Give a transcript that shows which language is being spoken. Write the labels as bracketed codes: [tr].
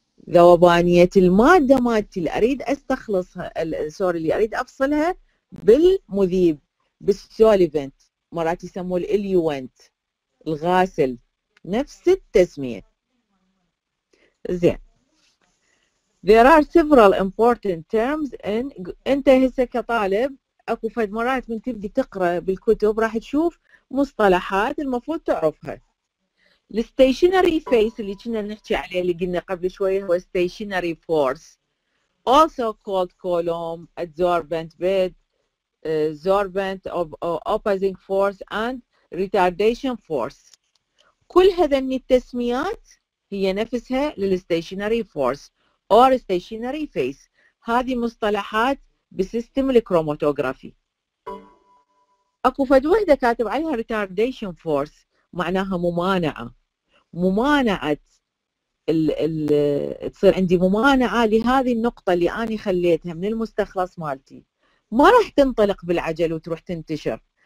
[ar] ذوبانية المادة مالتي اللي اريد استخلصها، سوري اللي اريد افصلها بالمذيب، بالسوليفنت، مرات يسموه الاليوانت، الغاسل، نفس التسمية. زين. [en] There are several important terms in... [ar] انت هسه كطالب اكو فد مرات من تبدي تقرا بالكتب راح تشوف مصطلحات المفروض تعرفها. الستيشنري فيس اللي كنا نحكي عليه اللي قلنا قبل شوي هو ستيشنري فورس. [en] Also called column, adsorbent bed, adsorbent opposing force and retardation force. [ar] كل هذني التسميات هي نفسها للستيشنري فورس او ستيشنري فيس. هذه مصطلحات بسيستم الكروماتوغرافي. اكو فد وحده كاتب عليها ريتارديشن فورس، معناها ممانعه، ممانعه ال تصير عندي ممانعه لهذه النقطه اللي انا خليتها من المستخلص مالتي، ما راح تنطلق بالعجل وتروح تنتشر.